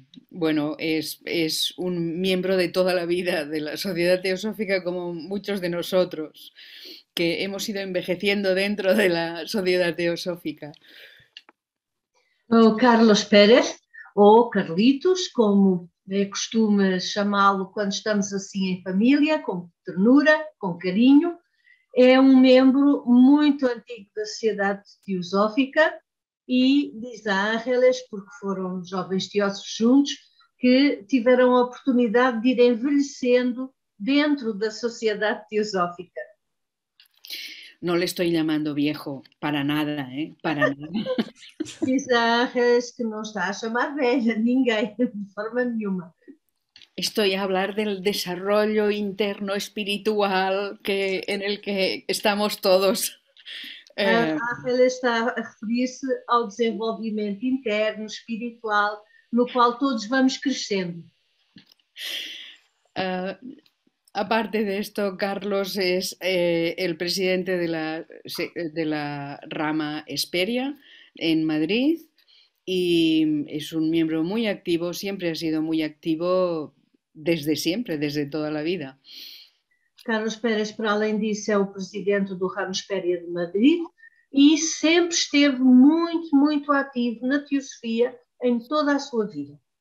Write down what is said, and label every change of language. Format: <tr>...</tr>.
<es>Bueno, es un miembro de toda la vida de la Sociedad Teosófica, como muchos de nosotros, que hemos ido envejeciendo dentro de la Sociedad Teosófica.</es> <pt>O Carlos Pérez, ou Carlitos, como é costume chamá-lo quando estamos assim em família, com ternura, com carinho, é um membro muito antigo da Sociedade Teosófica e diz a Ángeles, porque foram jovens teósofos juntos, que tiveram a oportunidade de ir envelhecendo dentro da Sociedade Teosófica.</pt> <es>No le estoy llamando viejo, para nada, ¿eh? Para nada.</es> <pt>Diz a Ángeles que não está a chamar velha ninguém, de forma nenhuma.</pt> <es>Estoy a hablar del desarrollo interno espiritual que en el que estamos todos.</es> <pt>A Ángeles está a referir-se ao desenvolvimento interno, espiritual, no qual todos vamos crescendo.</pt> <es>Aparte de esto, Carlos es el presidente de la rama Hesperia en Madrid y es un miembro muy activo, siempre ha sido muy activo desde siempre, desde toda la vida.</es> <pt>Carlos Pérez, para além disso, é o presidente do ramo Hesperia de Madrid e sempre esteve muito, muito ativo na teosofia em toda a sua vida.</pt>